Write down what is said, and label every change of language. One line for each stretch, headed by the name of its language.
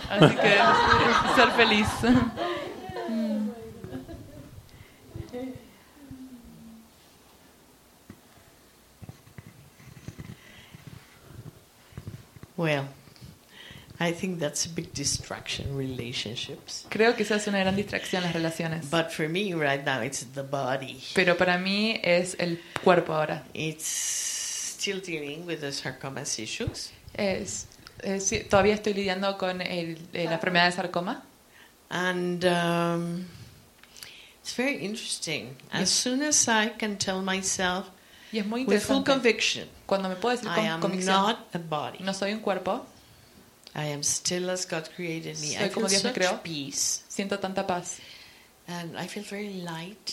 Spanish: Así que ser feliz.
English: Well, I think that's a big distraction, relationships.
Spanish: Creo que esa es una gran distracción, las relaciones.
English: But for me right now it's the body.
Spanish: Pero para mí es el cuerpo ahora.
English: It's still dealing with the sarcoma issues.
Spanish: Sí, todavía estoy lidiando con la enfermedad de sarcoma.
English: And it's very interesting. As soon as I can tell myself with full conviction,
Spanish: cuando me puedo decir con convicción,
English: I am not a body.
Spanish: No soy un cuerpo.
English: I am still as God created me.
Spanish: Soy como Dios me creó.
English: Peace.
Spanish: Siento tanta paz.
English: And I feel very light.